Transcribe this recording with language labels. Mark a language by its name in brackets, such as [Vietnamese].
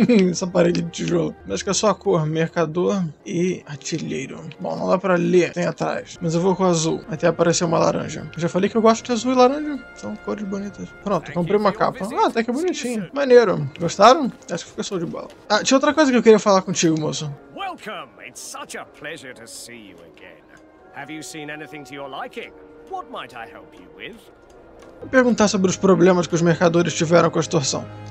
[Portuguese] essa parede de tijolo. Acho que é só a cor. Mercador e artilheiro. Bom, não dá pra ler. Tem atrás. Mas eu vou com azul. Até aparecer uma laranja. Eu já falei que eu gosto de azul e laranja. São cores bonitas. Pronto, comprei uma capa. Ah, até que é bonitinho. Maneiro. Gostaram? Acho que fica show de bola. Ah, tinha outra coisa que eu queria falar contigo, moço. [English] Welcome. It's such a pleasure to see you again. Have you seen anything to your liking? What might I help you with? [Portuguese] Vou perguntar sobre os problemas que os mercadores tiveram com a extorsão.